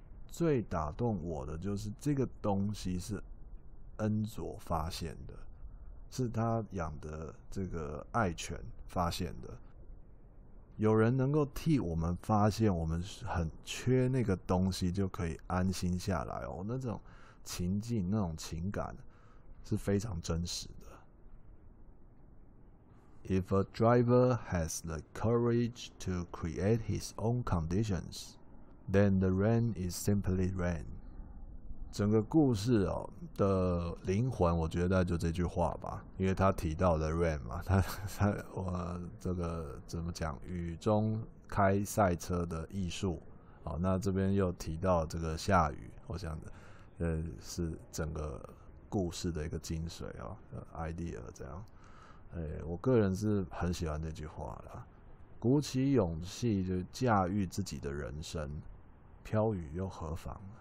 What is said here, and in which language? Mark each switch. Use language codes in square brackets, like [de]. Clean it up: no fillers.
[zh] 最打动我的就是这个东西是恩佐发现的，是他养的这个爱犬发现的。有人能够替我们发现我们很缺那个东西就可以安心下来哦，那种情境那种情感是非常真实的。 [en] If a driver has the courage to create his own conditions, then the rain is simply rain。 [zh] 整个故事哦的灵魂，我觉得就这句话吧，因为他提到了 rain 嘛，他我这个怎么讲，雨中开赛车的艺术，好，那这边又提到这个下雨，我想，是整个故事的一个精髓哦 ，idea 这样，我个人是很喜欢这句话啦，鼓起勇气就驾驭自己的人生，飘雨又何妨？